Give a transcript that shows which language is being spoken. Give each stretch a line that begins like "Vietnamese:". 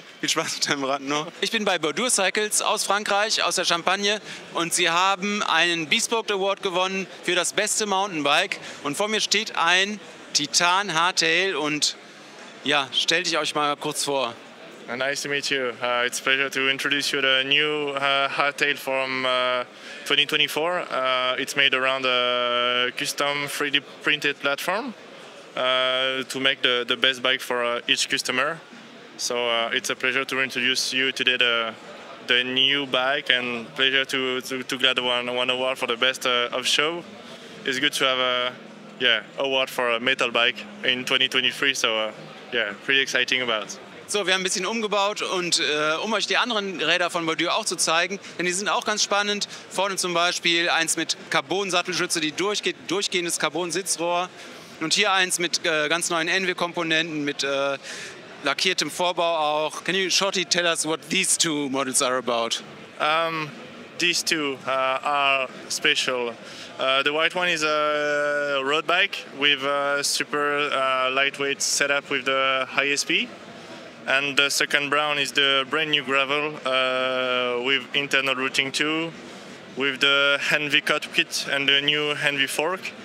German: Viel Spaß mit deinem Rad noch. Ich bin bei Bordure Cycles aus Frankreich, aus der Champagne. Und sie haben einen Bespoke Award gewonnen für das beste Mountainbike. Und vor mir steht ein Titan Hardtail. Und ja, stell dich euch mal kurz vor.
English: Nice to meet you. It's a pleasure to introduce you to a new Hardtail from 2024. It's made around a custom 3D printed platform to make the best bike for each customer. So it's a pleasure to introduce you today the new bike and pleasure to get one award for the best of show. It's good to have award for a metal bike in 2023. So pretty exciting about.
German: So, wir haben ein bisschen umgebaut und um euch die anderen Räder von Bordure auch zu zeigen, denn die sind auch ganz spannend. Vorne zum Beispiel eins mit Carbon-Sattelschütze, die durchgehendes Carbon-Sitzrohr. Und hier eins mit ganz neuen Envy-Komponenten, mit lackiertem Vorbau auch.
English: Can you shortly tell us what these two models are about? These two are special. The white one is a road bike with a super lightweight setup with the high SP. And the second brown is the brand new gravel with internal routing too, with the Envy cut kit and the new Envy fork.